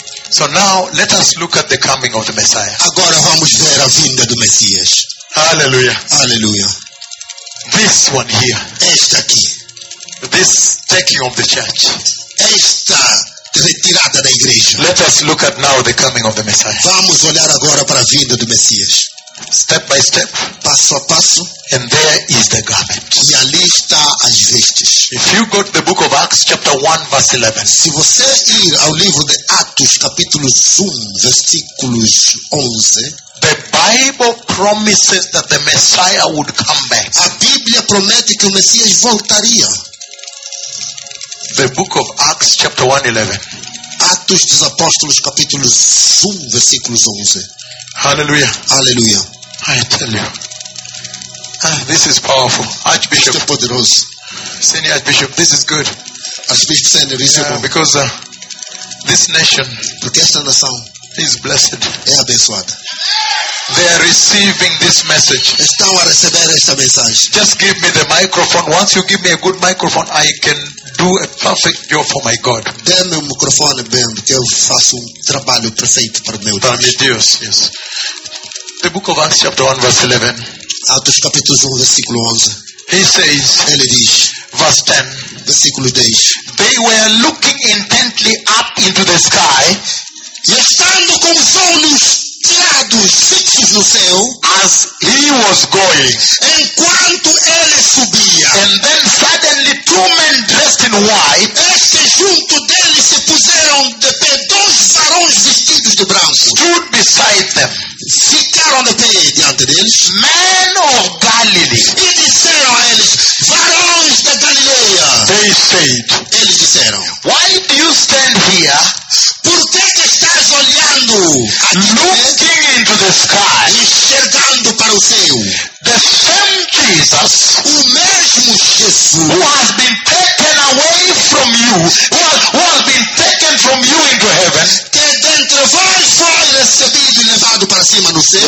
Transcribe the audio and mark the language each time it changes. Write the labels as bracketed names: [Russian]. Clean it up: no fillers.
[English] So now, let us look at the coming of the Messiah. [Portuguese] Agora vamos ver a vinda do Messias. [English] Hallelujah. [Portuguese] Hallelujah. [English] This one here. [Portuguese] Esta aqui. [English] This taking of the church. [Portuguese] Esta retirada da igreja. [English] Let us look at now the coming of the Messiah. [Portuguese] Vamos olhar agora para a vinda do Messias. [English] Step by step. [Portuguese] Passo a passo. [English] And there is the garment. [Portuguese] E ali está as vestes. [English] If you go to the book of Acts, chapter 1, verse 11. [Portuguese] Se você ir ao livro de Atos, capítulo 1, versículos 11. [English] The Bible promises that the Messiah would come back. [Portuguese] A Bíblia promete que o Messias voltaria. [English] The book of Acts, chapter 1, 11. [Portuguese] Atos dos Apóstolos, capítulo 1, versículo 11. [English] Hallelujah. [Portuguese] Hallelujah. [English] I tell you. This is powerful. Archbishop. [Portuguese] Este poderoso. [English] Senior Archbishop, this is good. [Portuguese] Archbishop Senior, isso é bom. [English] Because this nation. [Portuguese] Porque esta nação. [English] Is blessed. [Portuguese] É abençoada. [English] They are receiving this message. [Portuguese] Estão a receber esta mensagem. [English] Just give me the microphone. Once you give me a good microphone, I can do a perfect job for my God. [Portuguese] Dê-me o microfone bem, que eu faço um trabalho perfeito para meu Deus. Para meu Deus, [English] yes. The book of Acts, chapter 1, verse 11. [Portuguese] Atos, capítulo 1, versículo 11. [English] He says, [Portuguese] ele diz, [English] verse 10, [Portuguese] versículo 10. [English] They were looking intently up into the sky, [Portuguese] e estando com os olhos tirados fixos no céu, [English] as he was going, [Portuguese] enquanto ele subia, [English] and then suddenly two men dressed in white, [Portuguese] este junto dele se puseram de pé, dois varões vestidos de branco, [English] stood beside them, [Portuguese] ficaram de pé diante deles, [English] men of Galilee, [Portuguese] e disseram a eles, varões da Galileia, [English] they said, [Portuguese] eles disseram, [English] why do you stand here? [Portuguese] Por que que estás olhando? [English] Looking into the sky. [Portuguese] Enxergando para o céu. [English] The same Jesus. [Portuguese] O mesmo Jesus. [English] Who has been taken away from you. Who has been taken from you into heaven. [Portuguese] Que dentre vós foi recebido e levado para cima no céu.